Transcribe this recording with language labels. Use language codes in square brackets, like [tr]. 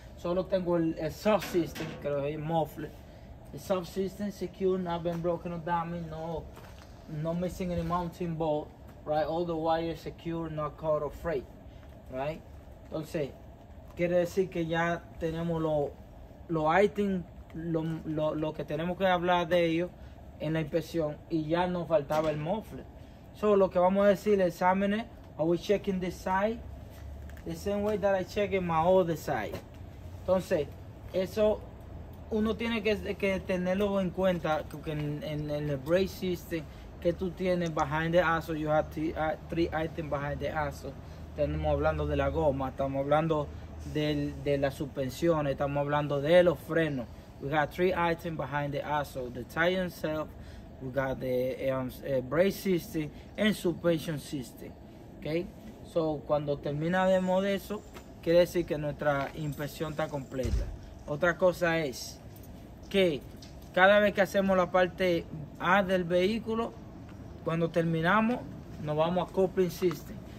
[es] Solo tengo el subsystem, que lo es muffler. [en] El subsystem secure, not been broken or damaged, no missing any mounting bolt, right? All the wires secure, not cut or frayed, right? [es] Entonces, quiere decir que ya tenemos lo que tenemos que hablar de ellos en la inspección, y ya nos faltaba el muffler. [en] So, [es] lo que vamos a decir, [en] examine, are we checking this side? The same way that I check in my other side. [es] Entonces, eso uno tiene que tenerlo en cuenta, que en el brake system que tú tienes [en] behind the axle, you have three items behind the axle. [es] Estamos hablando de la goma, estamos hablando de las suspensiones, estamos hablando de los frenos. [en] We got three items behind the axle, the tire itself. We got the brake system and suspension system, okay? [es] So, cuando terminamos de eso, quiere decir que nuestra inspección está completa. Otra cosa es que cada vez que hacemos la parte A del vehículo, cuando terminamos, nos vamos a coupling system.